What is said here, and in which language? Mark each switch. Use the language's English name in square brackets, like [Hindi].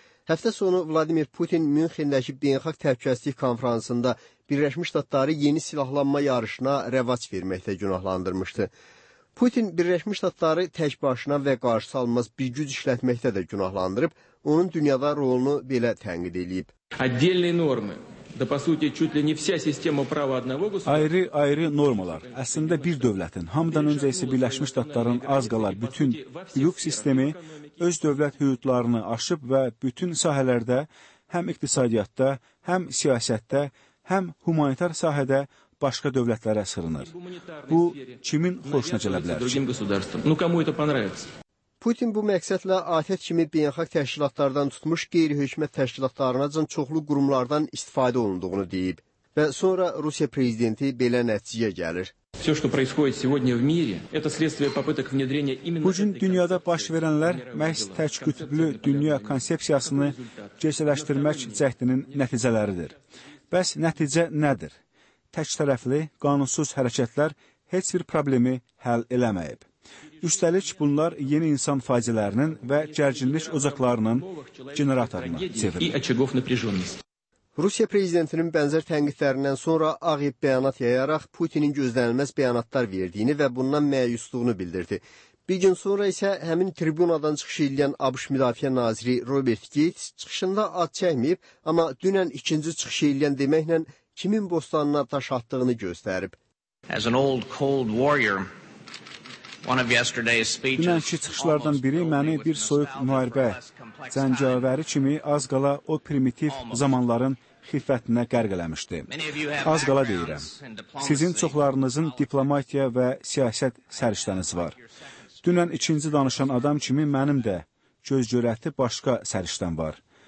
[Azerbaijani] Həftə sonu Vladimir Putin Münxendəki Beynəlxalq Təhlükəsizlik Konfransında Birləşmiş Ştatları yeni silahlanma yarışına rəvac verməkdə günahlandırmışdı. Putin Birləşmiş Ştatları tək başına və qarşı alınmaz bir güc işlətməkdə də günahlandırıb, onun dünyada rolunu belə tənqid edib. [Russian] Отдельные нормы. Да по сути, чуть ли не вся система права одного государства. [Azerbaijani] Ayrı-ayrı normalar. Əslində bir dövlətin, hamdan öncə isə Birləşmiş Ştatların az qalar bütün hüquq sistemi öz dövlət hüquqlarını aşıb və bütün sahələrdə, həm iqtisadiyyatda, həm siyasətdə, həm humanitar sahədə başqa dövlətlərə sığınır. Bu, kimin xoşuna gələ bilər? Putin bu məqsədlə ATƏT kimi beynəlxalq təşkilatlardan tutmuş qeyri-hökumət təşkilatlarınacan çoxlu qurumlardan istifadə olunduğunu deyib və sonra Rusiya prezidenti belə nəticəyə gəlir. [Russian] Всё, что происходит сегодня в мире, это следствие попыток внедрения именно [Azerbaijani] Bu gün dünyada baş verənlər məhz tək qütblü dünya konsepsiyasını gerçəkləşdirmək cəhdinin nəticələridir. Bəs nəticə nədir? Tək tərəfli, qanunsuz hərəkətlər heç bir problemi həll eləməyib. Üstəlik, bunlar yeni insan faciələrinin və gərginlik ocaqlarının generatoruna çevrilir. Rusiya prezidentinin bənzər tənqidlərindən sonra Ağ Ev bəyanat yayaraq Putinin gözlənilməz bəyanatlar verdiyini və bundan məyusluğunu bildirdi. Bir gün sonra isə həmin tribunadan çıxış edən ABŞ Müdafiə Naziri Robert Gates çıxışında ad çəkməyib, amma dünən ikinci çıxış edən deməklə kimin bostanına taş atdığını göstərib. [English] As an old cold warrior, one of yesterday's speeches. [Azerbaijani] Dünənki çıxışlardan biri məni bir soyuq müharibə, cəngavəri kimi az qala o primitiv zamanların xiffətinə qərq eləmişdi. Az qala deyirəm, sizin çoxlarınızın diplomatiya və siyasət səriştəniz var. Dünən ikinci danışan adam kimi mənim də göz görəti başqa səriştən var.